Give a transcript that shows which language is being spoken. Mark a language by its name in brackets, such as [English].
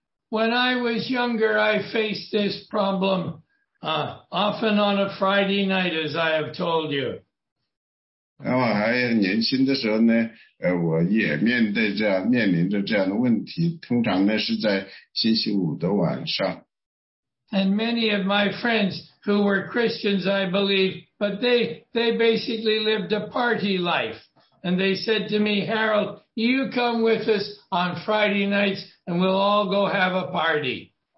[English] When I was younger, I faced this problem often on a Friday night, as I have told you. [Chinese] 我还年轻的时候呢，我也面临着这样的问题，通常呢是在星期五的晚上。 [English] And many of my friends who were Christians, I believe, but they basically lived a party life. And they said to me, Harold, you come with us on Friday nights and we'll all go have a party.